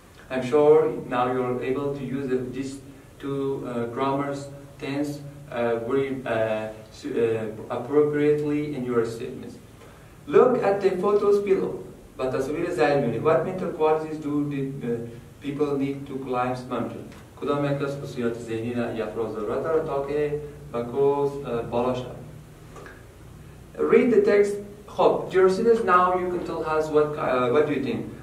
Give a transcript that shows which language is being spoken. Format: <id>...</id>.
<en>I'm sure now you're able to use these two grammars tense appropriately in your statements. Look at the photos below. But as we examine, what mental qualities do the people need to climb mountain?</en> <fa>کدام یک از خصوصیات ذهنی یک را ضرورت دارد تا که به کوه بالا شود؟</fa> <en>Read the text. خب, dear students, now you can tell us what do you think?</en>